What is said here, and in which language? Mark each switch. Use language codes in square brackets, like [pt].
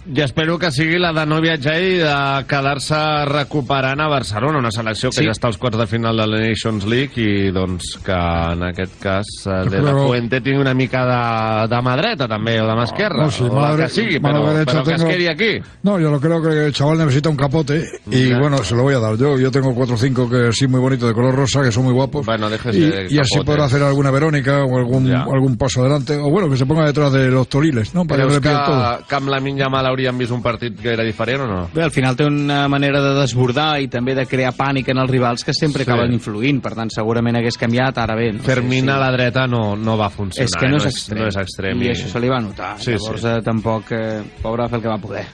[ca] I espero que sigui la de no viatjar i de quedar-se recuperant a Barcelona, una selecció que sí, ja està als quarts de final de la Nations League i doncs que en aquest cas de la Fuente tingui una mica de mà dreta també, o de mà esquerra, no, sí, o la que sigui, però que es quedi aquí. [es] No, yo lo creo que el chaval necesita un capote y ya, bueno, se lo voy a dar yo. Yo tengo 4-5 que sí, muy bonito, de color rosa, que son muy guapos. Bueno, y así podrá hacer alguna Verónica o algún paso adelante. O bueno, que se ponga detrás de los toriles, ¿no? Para que todo. [ca] Que amb Lamine Yamal hauríem vist un partit que era diferent o no? Bé, al final té una manera de desbordar i també de crear pànic en els rivals que sempre sí, acaben influint. Per tant, segurament hagués canviat, ara bé. No Fermín sí, a la dreta no va funcionar. És que no és extrem. I això se li va notar. Sí, llavors, sí, tampoc, pobre, va fer el que va poder.